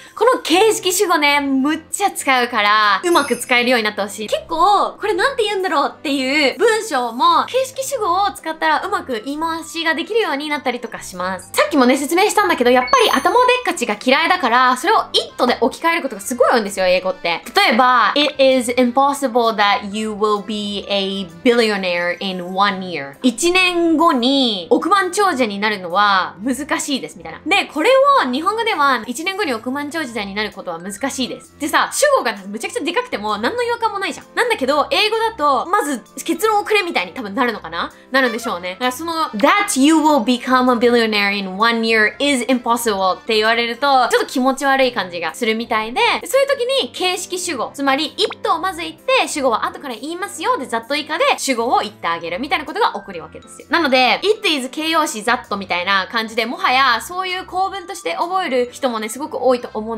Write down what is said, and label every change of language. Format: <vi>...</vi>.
<ja>この形式主語ね、むっちゃ使うから、うまく使えるようになってほしい。結構、これなんて言うんだろうっていう文章も、形式主語を使ったらうまく言い回しができるようになったりとかします。さっきもね、説明したんだけど、やっぱり頭でっかちが嫌いだから、それを it で置き換えることがすごい多いんですよ、英語って。例えば、</ja> <en>It is impossible that you will be a billionaire in 1 year.</en> <ja>1年後に億万長者になるのは難しいです、みたいな。で、これを日本語では、1年後に億万長者時代になることは難しいですでさ、主語がむちゃくちゃでかくても何の違和感もないじゃん。なんだけど、英語だと、まず結論をくれみたいに多分なるのかな? なるんでしょうね。だからその、</ja> <en>That you will become a billionaire in 1 year is impossible</en> <ja>って言われると、ちょっと気持ち悪い感じがするみたいで、そういう時に形式主語、つまり、it をまず言って、主語は後から言いますよ、で、ざっと以下で主語を言ってあげるみたいなことが起こるわけですよ。なので、it is 形容詞ざっとみたいな感じで、もはや、そういう構文として覚える人もね、すごく多いと思う。</ja>